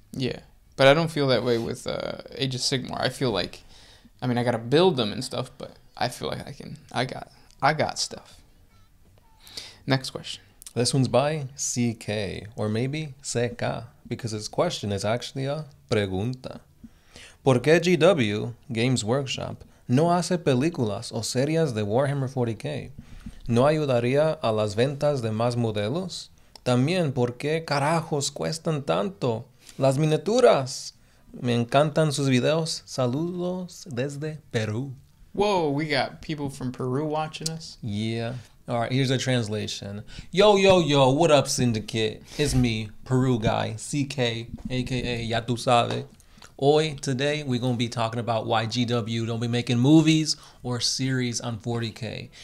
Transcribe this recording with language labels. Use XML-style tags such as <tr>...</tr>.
<en>Yeah, but I don't feel that way with Age of Sigmar. I feel like, I mean, I got to build them and stuff, but I feel like I can, I got stuff. Next question. This one's by CK, or maybe CK, because his question is actually a pregunta.</en> <es>¿Por qué GW, Games Workshop, no hace películas o series de Warhammer 40K? ¿No ayudaría a las ventas de más modelos? También, ¿por qué carajos cuestan tanto las miniaturas? Me encantan sus videos. Saludos desde Perú.</es> <en>Whoa, we got people from Peru watching us. Yeah. All right, here's a translation. Yo, yo, yo, what up, Syndicate? It's me, Peru guy, CK, a.k.a.</en> <es>Ya tú sabes.</es> <en>Oi, today we're going to be talking about why GW don't be making movies or series on 40K.</en>